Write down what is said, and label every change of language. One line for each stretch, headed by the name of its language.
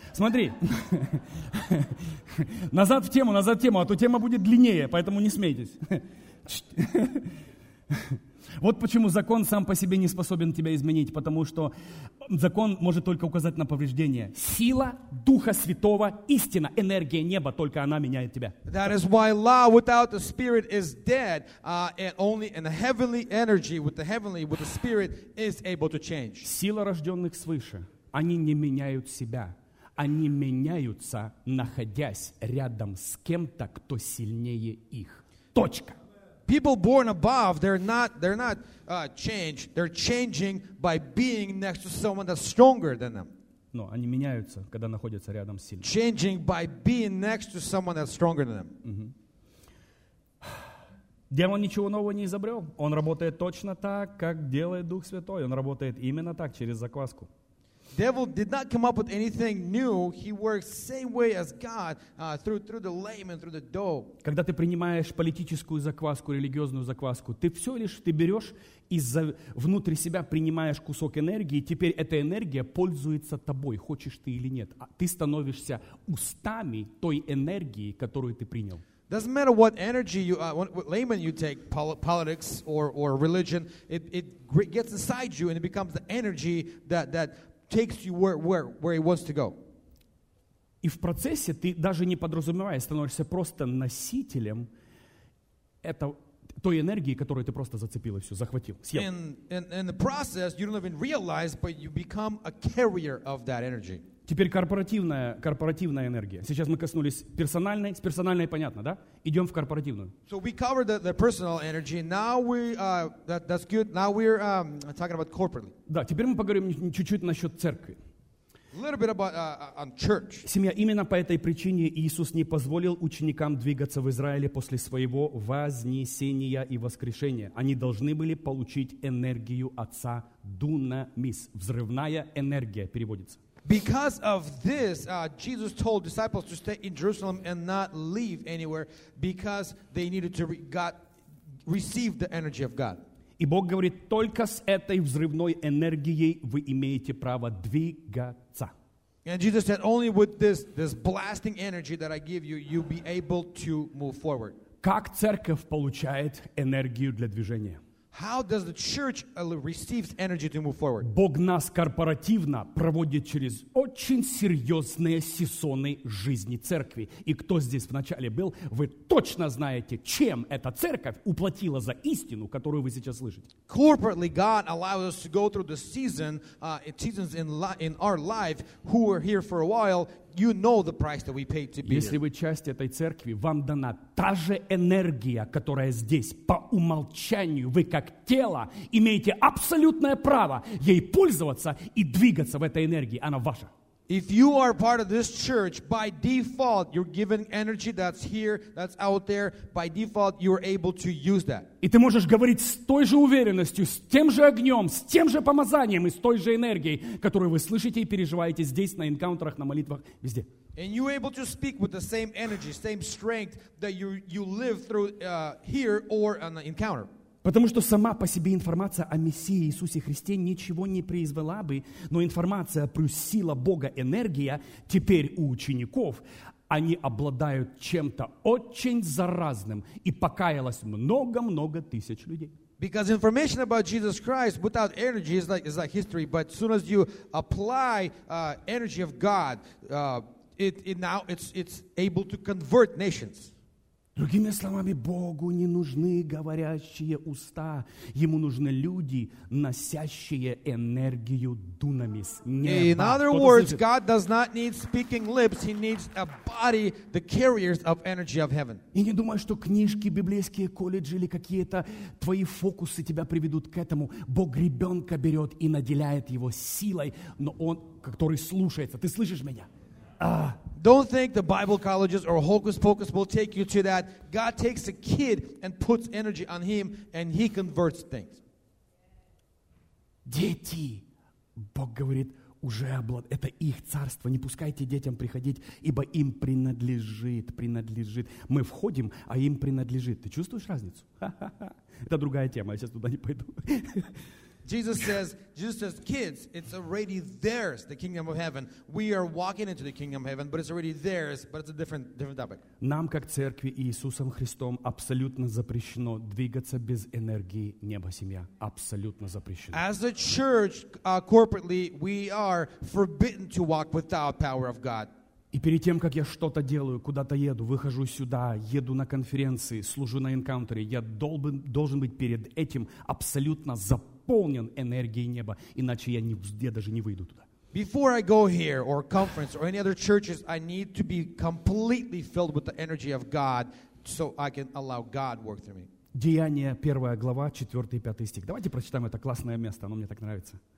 Russian: Смотри, назад в тему, а то тема будет длиннее, поэтому не смейтесь. Вот почему закон сам по себе не способен тебя изменить, потому что закон может только указать на повреждение. Сила Духа Святого, истина, энергия неба, только она меняет тебя.
English: That is why law without the Spirit is dead, and only in the heavenly energy with the Spirit is able to change.
Russian: Сила рожденных свыше, они не меняют себя. Они меняются, находясь рядом с кем-то, кто сильнее их. Точка.
English: People born above, they're not changed. They're changing by being next to someone that's stronger than them.
Russian: Но они меняются, когда находятся рядом с сильным.
English: Changing by being next to someone that's stronger than them.
Russian: Дьявол ничего нового не изобрел. Он работает точно так, как делает Дух Святой. Он работает именно так, через закваску.
English: Devil did not come up with anything new. He works same way as God through the layman, through the dough.
Russian: Когда ты принимаешь политическую закваску, религиозную закваску, ты все лишь ты берешь из-за внутри себя принимаешь кусок энергии. Теперь эта энергия пользуется тобой, хочешь ты или нет. Ты становишься устами той энергии, которую ты принял.
English: Doesn't matter what energy you, what layman you take, politics or religion, it gets inside you and it becomes the energy that takes you where it wants to go.
Russian: И в процессе ты даже не подразумевая становишься просто носителем той энергии, которую ты просто зацепил и все захватил, съел.
English: In the process, you don't even realize, but you become a carrier of that energy.
Russian: Теперь корпоративная энергия. Сейчас мы коснулись персональной. С персональной понятно, да? Идем в корпоративную.
English: So we covered the personal energy. Now we that's good. Now we're talking about corporately.
Russian: Да, теперь мы поговорим чуть-чуть насчет церкви.
English: A little bit about on church.
Russian: Семья. Именно по этой причине Иисус не позволил ученикам двигаться в Израиле после своего вознесения и воскрешения. Они должны были получить энергию Отца, дунамис. Взрывная энергия переводится.
English: Because of this, Jesus told disciples to stay in Jerusalem and not leave anywhere because they needed to receive the energy of God.
Russian: И Бог говорит, только с этой взрывной энергией вы имеете право двигаться.
English: And Jesus said, only with this blasting energy that I give you, you'll be able to move forward.
Russian: Как церковь получает энергию для движения?
English: How does the church receive energy to move forward?
Russian: Бог нас корпоративно проводит через очень серьезные сезоны жизни церкви. И кто здесь вначале был, вы точно знаете, чем эта церковь уплатила за истину, которую вы сейчас слышите.
English: Corporately, God allows us to go through the seasons in our life who were here for a while. You know the price that we paid to be here.
Russian: Если вы часть этой церкви, вам дана та же энергия, которая здесь. По умолчанию вы как тело имеете абсолютное право ей пользоваться и двигаться в этой энергии. Она ваша.
English: If you are part of this church, by default, you're given energy that's here, that's out there. By default, you're able to use that.
Russian: И ты можешь говорить с той же уверенностью, с тем же огнем, с тем же помазанием и с той же энергией, которую вы слышите и переживаете здесь, на энкаунтерах, на молитвах, везде.
English: And you're able to speak with the same energy, same strength that you live through here or on the encounter.
Russian: Потому что сама по себе информация о Мессии Иисусе Христе ничего не произвела бы, но информация плюс сила Бога, энергия, теперь у учеников, они обладают чем-то очень заразным, и покаялось много-много тысяч людей.
English: Because information about Jesus Christ without energy is like history, but as soon as you apply energy of God, it's able to convert nations.
Russian: Другими словами, Богу не нужны говорящие уста. Ему нужны люди, носящие энергию дунамис. Неба.
English: In other words, God does not need speaking lips. He needs a body, the carriers of energy of heaven.
Russian: И не думай, что книжки, библейские колледжи или какие-то твои фокусы тебя приведут к этому. Бог ребенка берет и наделяет его силой, но он, который слушается. Ты слышишь меня?
English: Don't think the Bible colleges or hocus pocus will take you to that. God takes a kid and puts energy on him and he converts things.
Russian: Дети, Бог говорит, уже это их царство. Не пускайте детям приходить, ибо им принадлежит. Мы входим, а им принадлежит. Ты чувствуешь разницу? Это другая тема, я сейчас туда не пойду.
English: Jesus says, kids, it's already theirs, the kingdom of heaven. We are walking into the kingdom of heaven, but it's already theirs, but it's a different topic.
Russian: Нам, как церкви Иисусом Христом, абсолютно запрещено двигаться без энергии неба, семья. Абсолютно запрещено.
English: As a church, corporately, we are forbidden to walk without power of God.
Russian: И перед тем, как я что-то делаю, куда-то еду, выхожу сюда, еду на конференции, служу на энкаунтере, я должен быть перед этим абсолютно заполнен энергией неба, иначе я даже не выйду туда.
English: Before I go here or conference or any other churches, I need to be completely filled with the energy of God so I can allow God work through me.
Russian: Деяния, 1 глава, 4 и 5 стих. Давайте прочитаем это классное место, оно мне так нравится.